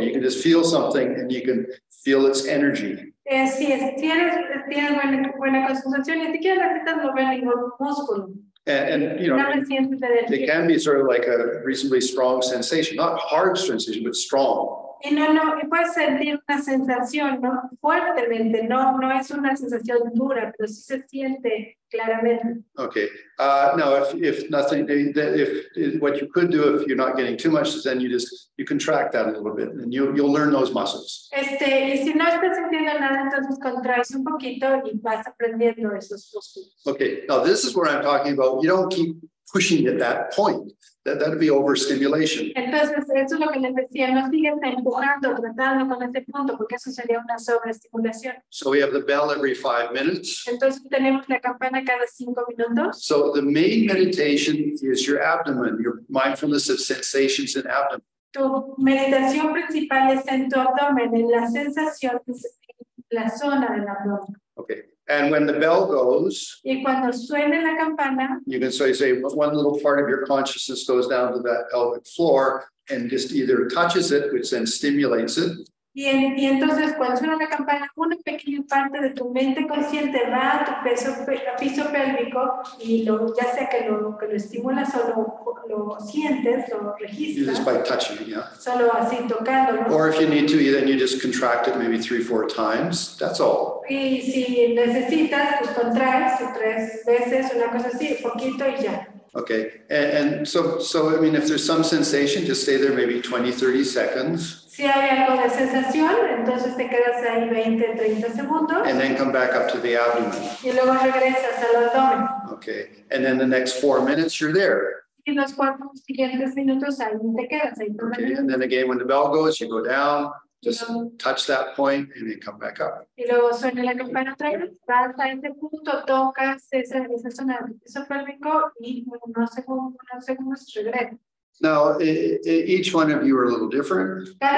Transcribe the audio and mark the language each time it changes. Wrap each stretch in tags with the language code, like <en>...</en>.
<en>You can just feel something and you can feel its energy. And you know, it can be sort of like a reasonably strong sensation, not hard sensation, but strong.</en> <es>No, it puede sentir una sensación, ¿no? Fuertemente, no es una sensación dura, pero sí se siente claramente.</es> <en>Okay. Now, if what you could do, if you're not getting too much, then you contract that a little bit, and you'll learn those muscles.</en> <es>Y si no estás sintiendo nada, entonces contraes un poquito y vas aprendiendo esos músculos.</es> <en>Okay. Now, this is where I'm talking about. You don't keep pushing at that point. That would be overstimulation.</en> <es>Entonces, eso es lo que les decía, no sigues empujando, tratando con este punto, porque eso sería una sobreestimulación.</es> <en>So we have the bell every 5 minutes.</en> <es>Entonces, tenemos la campana cada 5 minutos.</es> <en>So the main meditation is your abdomen, your mindfulness of sensations in abdomen.</en> <es>Tu meditación principal es en tu abdomen, en las sensaciones en la zona del abdomen.</es> <en>Okay. And when the bell goes,</en> <es>y cuando suene la campana,</es> <en>you can say one little part of your consciousness goes down to that pelvic floor and just either touches it, which then stimulates it.</en> <es>Y entonces cuando suena la campana, una pequeña parte de tu mente consciente va a tu piso pélvico y ya sea que lo estimulas o lo sientes, lo registras.</es> <en>Just by touching, yeah.</en> <es>Solo así tocándolo.</es> <en>Or if you need to, then you just contract it maybe 3-4 times. That's all.</en> <es>Y si necesitas, pues contraes 3 veces, una cosa así, poquito y ya.</es> <en>Okay, and so I mean, if there's some sensation, just stay there maybe 20, 30 seconds.</en> <es>Si hay algo de sensación, entonces te quedas ahí 20, 30 segundos.</es> <en>And then come back up to the abdomen.</en> <es>Y luego regresas al abdomen.</es> <en>Okay, and then the next 4 minutes, you're there.</en> <es>Y los 4 siguientes minutos, ahí te quedas. Ahí okay, minutos.</es> <en>And then again, when the bell goes, you go down, just luego, touch that point, and then come back up.</en> <es>Y luego suena la campana otra vez, vas a ese punto, tocas esa zona del piso pélvico, y unos segundos, regresas.</es> <en>Now, each one of you are a little different.</en>